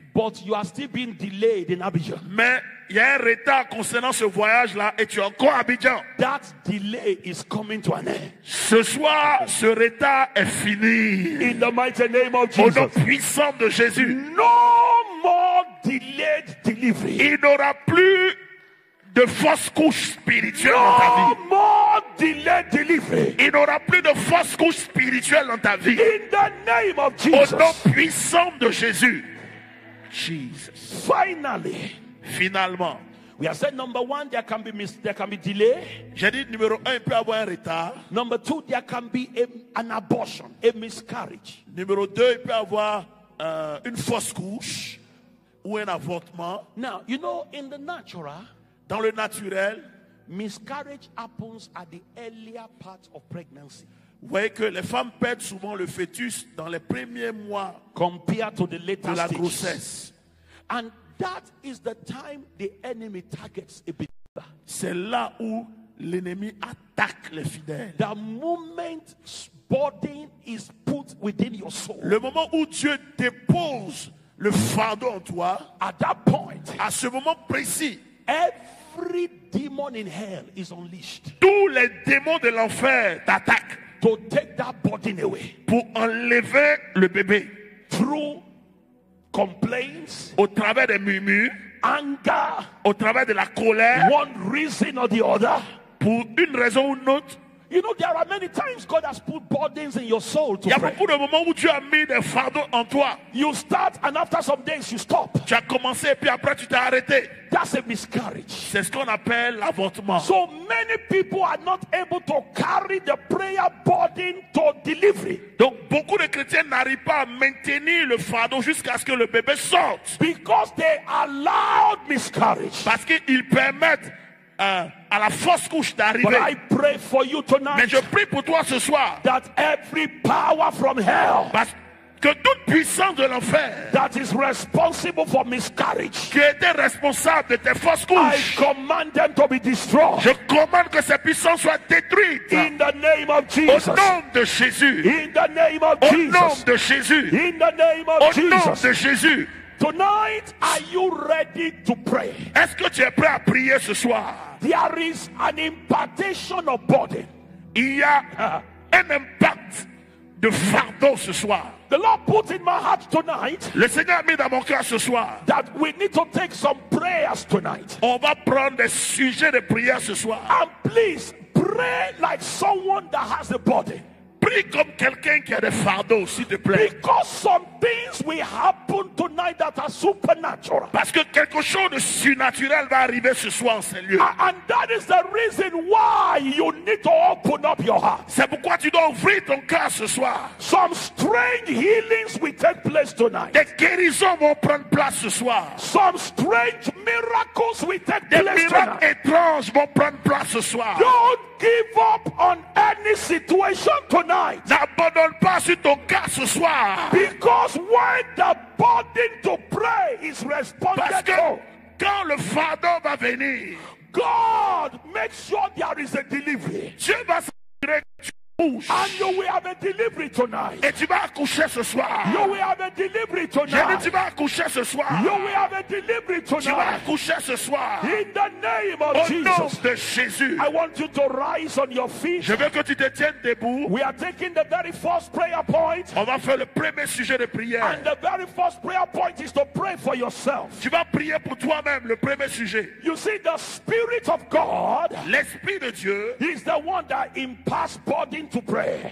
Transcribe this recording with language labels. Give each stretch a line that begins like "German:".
English: But you are still being delayed in Abidjan.
French: Mais il y a un retard concernant ce voyage-là et tu es encore à Abidjan.
English: That delay is coming to an end.
French: Ce soir, ce retard est fini.
English: In the mighty name of Jesus.
French: Au nom puissant de Jésus.
English: No more delayed delivery.
French: Il n'aura plus de fausse couche spirituelle
English: no
French: dans ta vie.
English: No more delayed delivery.
French: Il n'aura plus de fausse couche spirituelle dans ta vie.
English: In the name of Jesus.
French: Au nom puissant de Jésus.
English: Jesus. Finally.
French: Finalement.
English: We have said number one, there can be delay.
French: J'ai dit numéro un, il peut avoir un retard.
English: Number two, there can be an abortion, a miscarriage.
French: Numéro deux, il peut avoir une fausse couche ou un avortement.
English: Now, you know, in the natural,
French: dans le naturel,
English: miscarriage happens at the earlier part of pregnancy.
French: Vous voyez que les femmes perdent souvent le fœtus dans les premiers mois
English: compared to the later
French: de la grossesse.
English: And that is the time the enemy targets a believer.
French: C'est là où l'ennemi attaque les fidèles.
English: The moment body is put within your soul.
French: Le moment où Dieu dépose le fardeau en toi,
English: at that point,
French: à ce moment précis,
English: every demon in hell is unleashed.
French: Tous les démons de l'enfer t'attaquent.
English: To take that body away.
French: Pour enlever le bébé.
English: Through complaints,
French: au travers des murmures,
English: anger,
French: au travers de la colère,
English: one reason or the other,
French: pour une raison ou une autre.
English: You know, there are many times God has put burdens in your soul to pray.
French: Il y a beaucoup de moments où Dieu a mis des fardeaux en toi.
English: You start and after some days you stop.
French: Tu as commencé et puis après tu t'es arrêté.
English: That's a miscarriage.
French: C'est ce qu'on appelle l'avortement.
English: So many people are not able to carry the prayer burden to delivery.
French: Donc beaucoup de chrétiens n'arrivent pas à maintenir le fardeau jusqu'à ce que le bébé sorte.
English: Because they allow miscarriage.
French: Parce qu'ils permettent à la fausse couche d'arriver.
English: But I pray for you tonight.
French: Mais je prie pour toi ce soir.
English: That every power from hell.
French: Parce que toute puissance de l'enfer.
English: That is responsible for miscarriage.
French: Qui était responsable de tes fausses couches.
English: I command them to be destroyed.
French: Je commande que ces puissances soient détruites.
English: In the name of Jesus.
French: Au nom de Jésus.
English: In the name of
French: Au
English: Jesus.
French: Au nom de Jésus.
English: In the name of
French: Au
English: Jesus.
French: Au nom de Jésus.
English: Tonight, are you ready to pray?
French: Est-ce que tu es prêt à prier ce soir?
English: There is an impartation of burden.
French: Il y a un impact de fardeau ce soir.
English: The Lord put in my heart tonight.
French: Le Seigneur a mis dans mon cœur ce soir.
English: That we need to take some prayers tonight.
French: On va prendre des sujets de prière ce soir.
English: And please pray like someone that has a burden.
French: Prie comme quelqu'un qui a des fardeaux, s'il te plaît.
English: Because some things will happen tonight that are supernatural.
French: Parce que quelque chose de surnaturel va arriver ce soir en ces lieux.
English: And that is the reason why you need to open up your heart.
French: C'est pourquoi tu dois ouvrir ton cœur ce soir.
English: Some strange healings will take place tonight.
French: Des guérisons vont prendre place ce soir.
English: Some strange miracles will take
French: des
English: place tonight.
French: Des miracles étranges vont prendre place ce soir.
English: Don't give up on any situation tonight.
French: N'abandonne pas sur ton cas ce soir.
English: Because when the burden to pray is responded
French: Parce que
English: to,
French: quand le fardeau va venir,
English: God makes sure there is a delivery.
French: Dieu va s'assurer que tu bouges.
English: And you will have a delivery tonight.
French: Et tu vas accoucher ce soir.
English: You will have a delivery tonight.
French: J'ai dit tu vas accoucher ce soir.
English: You will have a delivery tonight.
French: Tu vas accoucher ce soir.
English: In the name of
French: Au
English: Jesus.
French: Au nom de Jésus.
English: I want you to rise on your feet.
French: Je veux que tu te tiennes debout.
English: We are taking the very first prayer point.
French: On va faire le premier sujet de prière.
English: And the very first prayer point is to pray for yourself.
French: Tu vas prier pour toi-même le premier sujet.
English: You see the spirit of God.
French: L'esprit de Dieu.
English: Is the one that imparts body to pray.